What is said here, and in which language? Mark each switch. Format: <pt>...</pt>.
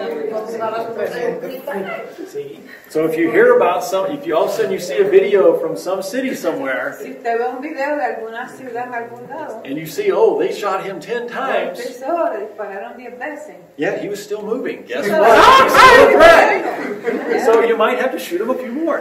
<en>So if you hear about something, if you all of a sudden you see a video from some city somewhere,</en> <es>si usted ve un video de alguna ciudad en algún lado,</es> <en>and you see, oh, they shot him 10 times.</en> <es>Empezó, le dispararon 10 veces.</es> <en>Yeah, he was still moving. Guess what? He's still a threat. So you might have to shoot him a few more.</en>